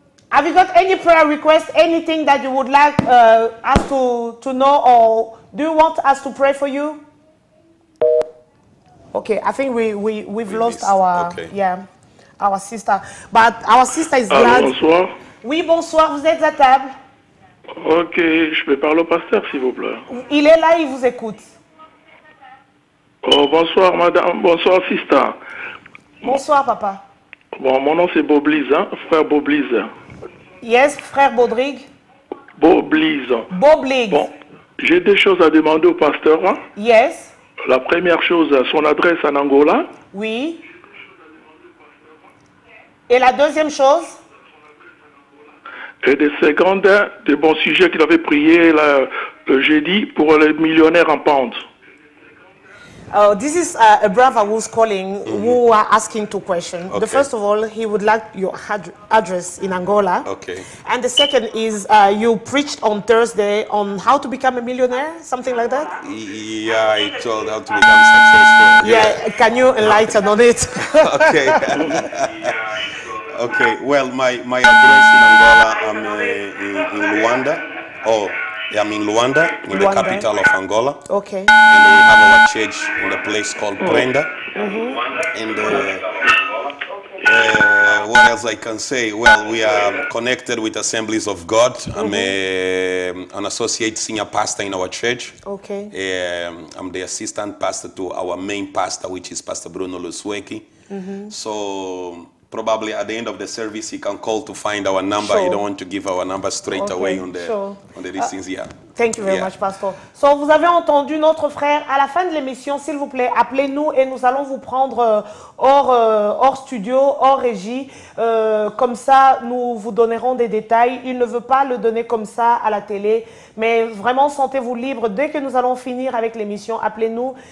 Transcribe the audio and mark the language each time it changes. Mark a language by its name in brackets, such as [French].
[English] Have you got any prayer requests, anything that you would like us to know, or do you want us to pray for you? Okay, I think we've lost our our sister. But our sister is glad. [French] Bonsoir. Oui, bonsoir, vous êtes à table. Ok, je vais parler au pasteur, s'il vous plaît. Il est là, il vous écoute. Oh, bonsoir, madame. Bonsoir, sister. Bonsoir, papa. Bon, mon nom, c'est Boblize, hein? Frère Boblize. [English] Yes, frère Baudrigue. [French] Boblize. Boblize. Bon, j'ai des choses à demander au pasteur. Hein? [English] Yes. [French] La première chose, son adresse en Angola. Oui. Et la deuxième chose? Et des secondes, des bons sujets qu'il avait prié le jeudi pour les millionnaires en pente. [English] Oh, this is a brother who's calling, who are asking two questions. Okay. The first of all, he would like your address in Angola. Okay. And the second is, you preached on Thursday on how to become a millionaire, something like that? Yeah, I told how to become successful. Yeah, can you enlighten on it? Okay. Okay, well, my address in Angola, I'm in Luanda. Oh. Yeah, I'm in Luanda, in the capital of Angola. Okay. And we have our church in a place called Brenda. Mm-hmm. And what else I can say? Well, we are connected with Assemblies of God. Mm-hmm. I'm an associate senior pastor in our church. Okay. I'm the assistant pastor to our main pastor, which is Pastor Bruno Lusweki. Mm-hmm. So probably at the end of the service, he can call to find our number. Sure. You don't want to give our number straight away on the on the listings. Yeah. Thank you very much, Pastor. So, [French] vous avez entendu notre frère. À la fin de l'émission, s'il vous plaît, appelez-nous et nous allons vous prendre hors studio, hors régie. Comme ça, nous vous donnerons des détails. Il ne veut pas le donner comme ça à la télé. Mais vraiment, sentez-vous libre. Dès que nous allons finir avec l'émission, appelez-nous.